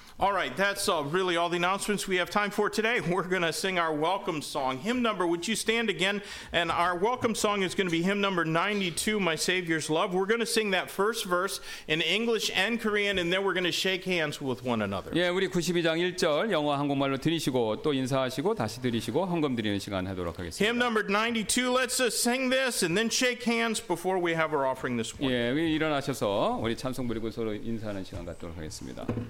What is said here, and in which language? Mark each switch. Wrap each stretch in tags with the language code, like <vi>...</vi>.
<en>All right, that's really all the announcements we have time for today. We're going to sing our welcome song. Hymn number, would you stand again? And our welcome song is going to be hymn number 92, My Savior's Love. We're going to sing that first verse in English and Korean, and then we're going to shake hands with one another.</en> <ko>예, 우리 92장 1절 영어 한국말로 들으시고 또 인사하시고 다시 들으시고 헌금 드리는 시간 하도록 하겠습니다.</ko> <en>Hymn number 92, let's sing this and then shake hands before we have our offering this morning.</en> <ko>예, 우리 일어나셔서 우리 찬송 부리고 서로 인사하는 시간 갖도록 하겠습니다.</ko>